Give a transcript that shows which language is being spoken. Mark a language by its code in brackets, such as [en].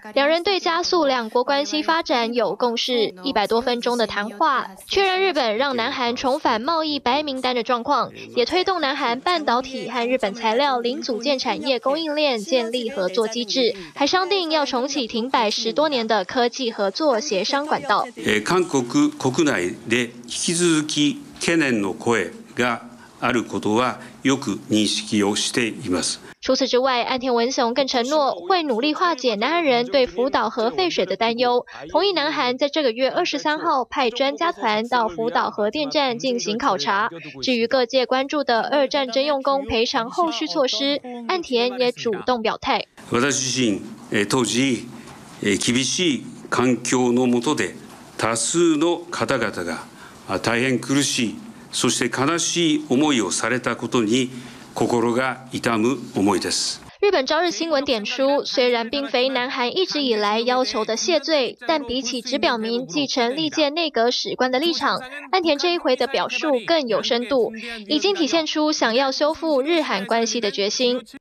[zh] 两人对加速两国关系发展有共识，100多分钟的谈话确认日本让南韩重返贸易白名单的状况，也推动南韩半导体和日本材料零组件产业供应链建立合作机制，还商定要重启停摆10多年的科技合作协商管道。 [ja] 韩国国内で引き続き懸念の声があることはよく認識をしています。 [zh] 除此之外，岸田文雄更承诺会努力化解南韩人对福岛核废水的担忧，同意南韩在这个月23号派专家团到福岛核电站进行考察。至于各界关注的二战征用工赔偿后续措施，岸田也主动表态。 [ja] 私自身、当時、厳しい環境の下で多数の方々が大変苦しい、そして悲しい思いをされたことに。心が痛む思いです。 [zh] 日本朝日新闻点出，虽然并非南韩一直以来要求的谢罪，但比起只表明继承历届内阁史观的立场，岸田这一回的表述更有深度，已经体现出想要修复日韩关系的决心。